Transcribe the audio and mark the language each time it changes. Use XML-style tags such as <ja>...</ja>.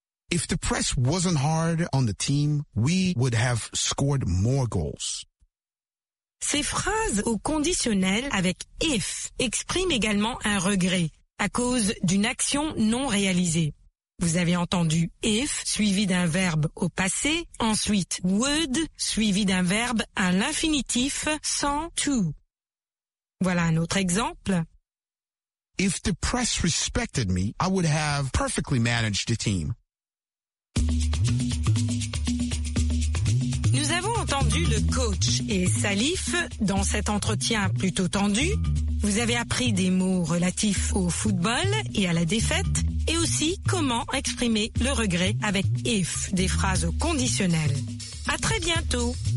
<en>If the press wasn't hard on the team, we would have scored more goals.</en> <fr>Ces phrases au conditionnel avec if expriment également un regret à cause d'une action non réalisée. Vous avez entendu if suivi d'un verbe au passé, ensuite would suivi d'un verbe à l'infinitif sans to. Voilà un autre exemple.</fr> <en>If the press respected me, I would have perfectly managed the team.</en> <fr>Nous avons entendu le coach et Salif dans cet entretien plutôt tendu. Vous avez appris des mots relatifs au football et à la défaite et aussi comment exprimer le regret avec if, des phrases conditionnelles. À très bientôt.</fr>